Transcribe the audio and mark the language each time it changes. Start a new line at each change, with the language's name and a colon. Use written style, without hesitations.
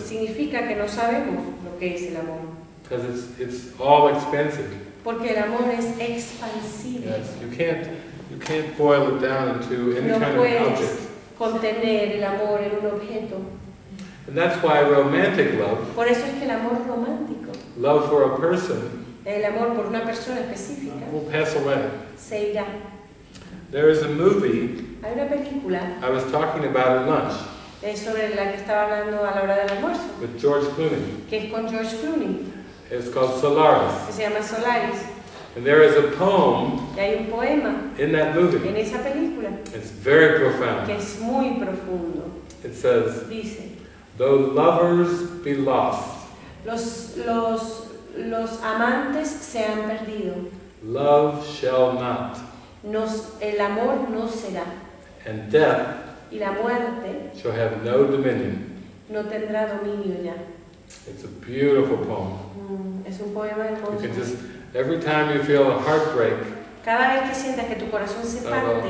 Spanish: Significa que no sabemos lo que es el amor.
English: Because it's all expansive.
Spanish: Porque el amor es expansivo.
English: Yes, you can't boil it down into any
Spanish: no
English: kind of object.
Spanish: No puedes contener el amor en un objeto.
English: And that's why romantic love.
Spanish: Por eso es que el amor romántico.
English: Love for a person.
Spanish: El amor por una persona específica.
English: Will pass away.
Spanish: Se irá.
English: There is a movie.
Spanish: Hay una película.
English: I was talking about at lunch.
Spanish: Es sobre la que estaba hablando a la hora del almuerzo.
English: With George Clooney.
Spanish: Que es con George Clooney.
English: It's called Solaris.
Spanish: Se llama Solaris.
English: And there is a poem.
Spanish: Y hay un poema
English: in that movie.
Spanish: En esa película.
English: It's very profound.
Spanish: Que es muy profundo.
English: It says.
Spanish: Dice.
English: Though lovers be lost.
Spanish: Los amantes se han perdido.
English: Love shall not.
Spanish: El amor no será.
English: And death.
Spanish: Y la muerte.
English: Shall have no dominion.
Spanish: No tendrá dominio ya.
English: It's a beautiful poem.
Spanish: Es un poema hermoso.
English: You can just, every time you feel a heartbreak,
Spanish: cada vez que sientas que tu corazón se parte